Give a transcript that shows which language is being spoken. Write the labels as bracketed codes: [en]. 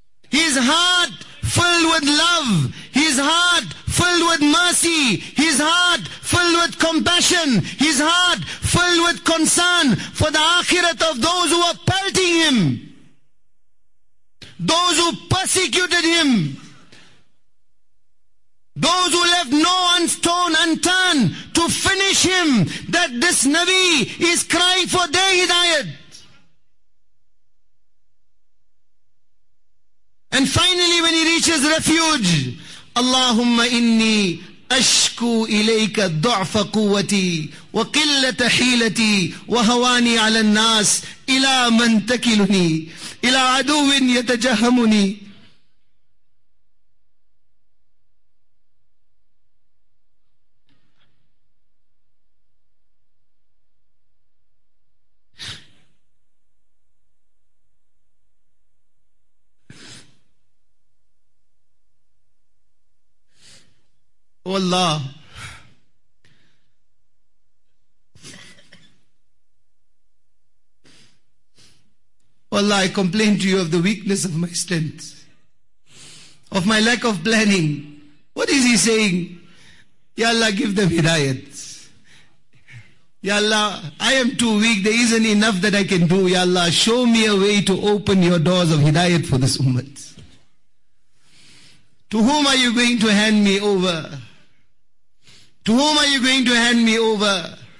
[en] His heart filled with love, his heart filled with mercy, his heart filled with compassion, his heart filled with concern for the akhirat of those who were pelting him, those who persecuted him, those who left no stone unturned to finish him, that this Nabi is crying for their hidayat. And finally, when he reaches refuge, [ar] اللهم إني أشكو إليك ضعف قوتي وقلة حيلتي وهواني على الناس إلى من تكلني إلى عدو يتجهمني والله والله [en] I complain to you of the weakness of my strength, of my lack of planning. What is he saying? Ya Allah, give them hidayat. Ya Allah, I am too weak. There isn't enough that I can do. Ya Allah, show me a way to open your doors of hidayat for this ummah. To whom are you going to hand me over? To whom are you going to hand me over?